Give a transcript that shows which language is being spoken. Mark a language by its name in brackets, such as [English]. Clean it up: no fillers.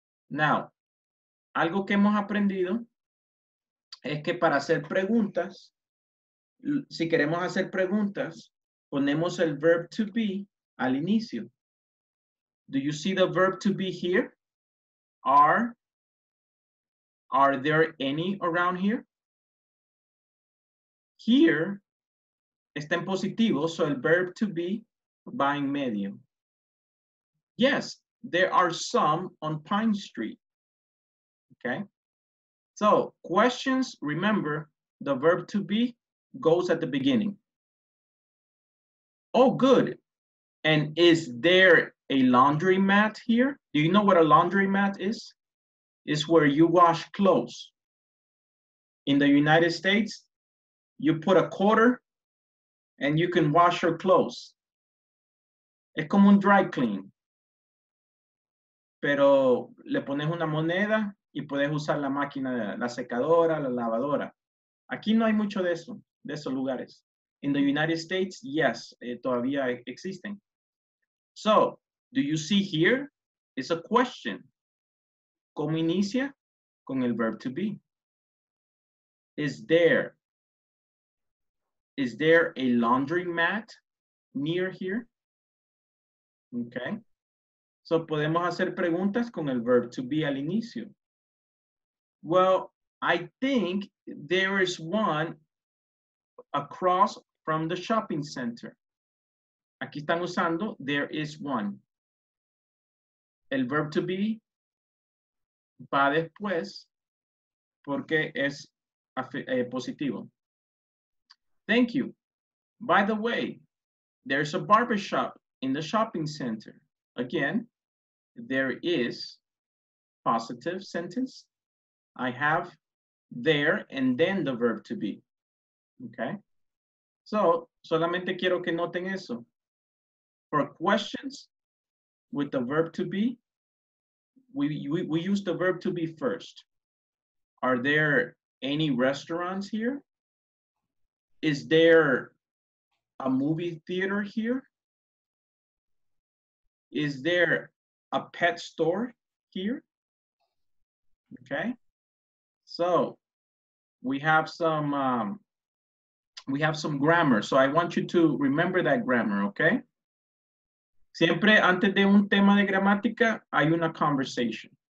[Spanish] Now, algo que hemos aprendido es que para hacer preguntas, si queremos hacer preguntas, ponemos el verb to be al inicio. [English] Do you see the verb to be here? Are there any around here? [Spanish] Here está en positivo, so el verb to be va en medio. [English] Yes. There are some on Pine Street, okay? So questions, remember, the verb to be goes at the beginning. Oh, good. And is there a laundromat here? Do you know what a laundromat is? It's where you wash clothes. In the United States, you put a quarter and you can wash your clothes. [Spanish] Es como un dry clean. Pero le pones una moneda y puedes usar la máquina, la secadora, la lavadora. Aquí no hay mucho de esos lugares. [English] In the United States, yes, [Spanish] todavía existen. [English] So, do you see here? It's a question. [Spanish] ¿Cómo inicia? Con el [English] verb to be. Is there a laundromat near here? Okay. [Spanish] So, podemos hacer preguntas con el verb to be al inicio. [English] Well, I think there is one across from the shopping center. [Spanish] Aquí están usando [English] there is one. [Spanish] El verb to be va después porque es positivo. [English] Thank you. By the way, there's a barbershop in the shopping center. Again, there is positive sentence. I have there and then the verb to be. Okay. So, [Spanish] solamente quiero que noten eso. [English] For questions with the verb to be, we use the verb to be first. Are there any restaurants here? Is there a movie theater here? Is there a pet store here? Okay. So we have some grammar. So I want you to remember that grammar, okay? [Spanish] Siempre antes de un tema de gramática, hay una conversation.